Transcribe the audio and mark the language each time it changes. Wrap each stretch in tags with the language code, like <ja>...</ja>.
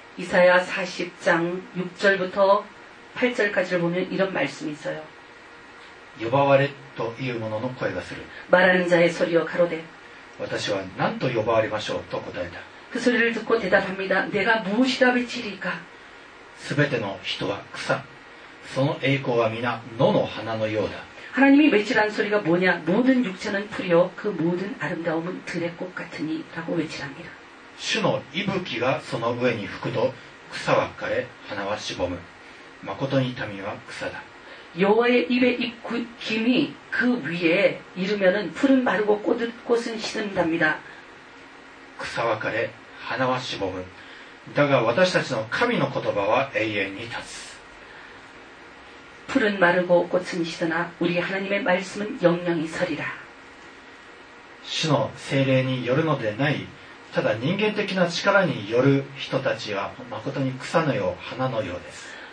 <ko>이사야40장6절부터8절까지를보면이런말씀이있어요</ko> <ja>呼ばわれという者の声がする。</ja> <ko>말하는자의소리여가로대</ko> <ja>私は何と呼ばわりましょうと答えた。</ja> <ko>그소리를듣고대답합니다내가무엇이라외치리까</ko> <ja>すべての人は草その栄光は皆野の花のようだ。</ja> <ko>하나님이외치라는소리가뭐냐모든육체는풀이요그모든아름다움은들의꽃같으니라고외치랍니다</ko> <ja>主の息吹がその上に吹くと草は枯れ花はしぼむ誠に民は草だ。</ja> <ko>여호와의입의입김이그위에이르면은풀은마르고 꽃은시든답니다</ko> <ja>草は枯れ花はしぼむだが私たちの神の言葉は永遠に立つ。</ja> <ko>풀은마르고꽃은시드나우리하나님의말씀은영영히서리라</ko> <ja>主の聖霊によるのでないただ人間的な力による人たちは誠に草のよう花のようです。</ja>